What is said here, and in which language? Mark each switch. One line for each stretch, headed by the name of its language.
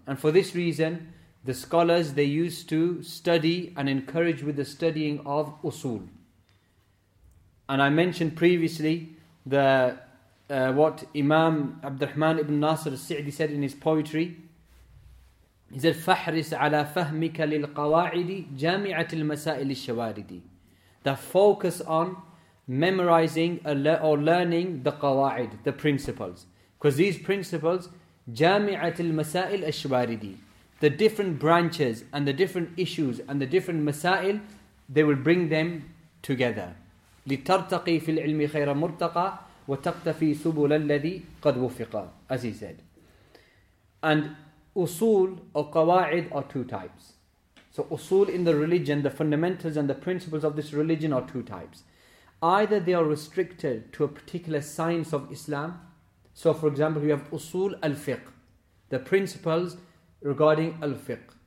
English: And for this reason, the scholars, they used to study and encourage with the studying of usul. And I mentioned previously what Imam Abdurrahman ibn Nasir al-Sa'di said in his poetry. He said,
Arabic: فَحْرِسْ عَلَى فَهْمِكَ لِلْقَوَاعِدِ جَامِعَةِ الْمَسَائِلِ الشَّوَارِدِ.
English: That focus on memorizing or learning the qawa'id, the principles. Because these principles,
Arabic: جَامِعَةِ الْمَسَائِلِ الشَّوَارِدِ,
English: the different branches and the different issues and the different masail, they will bring them together.
Arabic: لِتَرْتَقِي فِي الْعِلْمِ خَيْرًا مُرْتَقَى وَتَقْتَفِي سُبُلَ الَّذِي قَدْ وُفِقَى,
English: as he said. And usul or qawa'id are two types. So usul in the religion, the fundamentals and the principles of this religion are two types. Either they are restricted to a particular science of Islam. So for example, we have usul al-fiqh, the principles regarding al-fiqh.